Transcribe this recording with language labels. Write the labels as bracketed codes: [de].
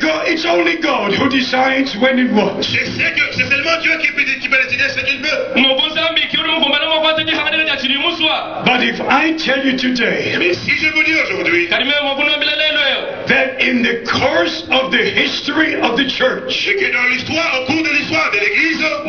[en] It's only God who decides when and what. [fr] C'est seulement Dieu qui peut décider ce qu'il veut. [en] But if I tell you today, [fr] mais si je vous dis aujourd'hui, [en] that in the course of the history of the church, [fr] que dans l'histoire, au cours de l'histoire de l'Église,